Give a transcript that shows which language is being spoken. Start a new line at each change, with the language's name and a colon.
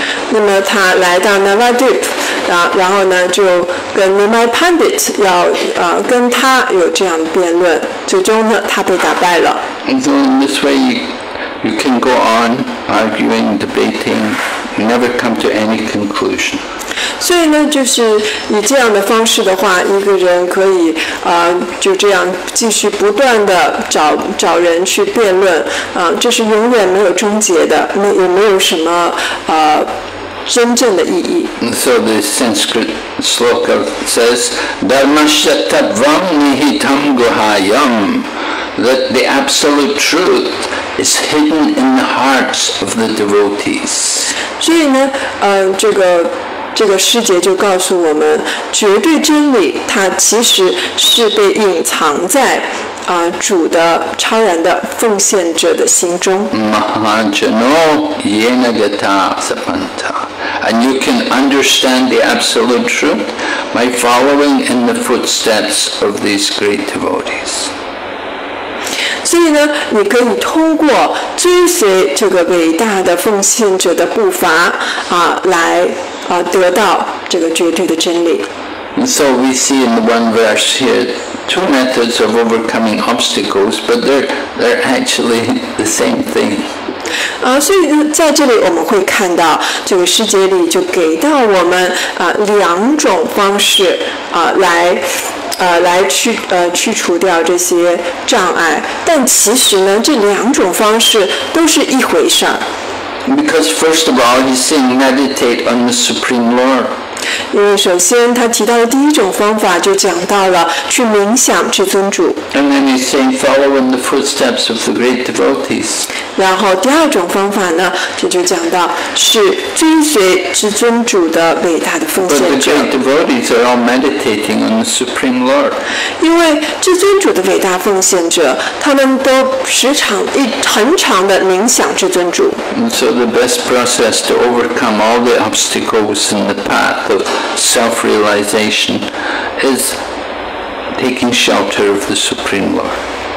Chinese: 那么他来到 Navadvip， 然后呢就跟 Nimai Pandit 要跟他有这样的辩论，最终呢他被打败了。
English: And so in this way you can go on arguing, debating, you never come to any conclusion.
Chinese: 所以呢，就是以这样的方式的话，一个人可以就这样继续不断的找人去辩论，这是永远没有终结的，那也没有什么真正的意义。
English: So the Sanskrit sloka says,
Sanskrit: "Dharmasya tadvam nihitam guhayam,"
English: that the absolute truth is hidden in the hearts of the devotees.
Chinese: 所以呢，这个师姐就告诉我们，绝对真理它其实是被隐藏在主的超然的奉献者的心中。
Sanskrit: Mahajano yenagata sapanta,
English: and you can understand the absolute truth by following in the footsteps of these great devotees.
Chinese: 所以呢，你可以通过追随这个伟大的奉献者的步伐来得到这个绝对的真理。
English: And so we see in the one verse here two methods of overcoming obstacles, but they're actually the same thing.
Chinese: 所以在这里我们会看到，这个世界里就给到我们两种方式来去除掉这些障碍，但其实呢，这两种方式都是一回事儿。
English: Because first of all, he's saying meditate on the Supreme Lord.
Chinese: 因为首先他提到的第一种方法就讲到了去冥想至尊主。
English: And then he's saying follow in the footsteps of the great devotees.
Chinese: 然后第二种方法呢，这就讲到是追随至尊主的伟大的奉献者。
English: But the great devotees are all meditating on the Supreme Lord.
Chinese: 因为至尊主的伟大奉献者，他们都时常很长的冥想至尊主。
English: And so the best process to overcome all the obstacles in the path of self-realization is taking shelter of the Supreme Lord.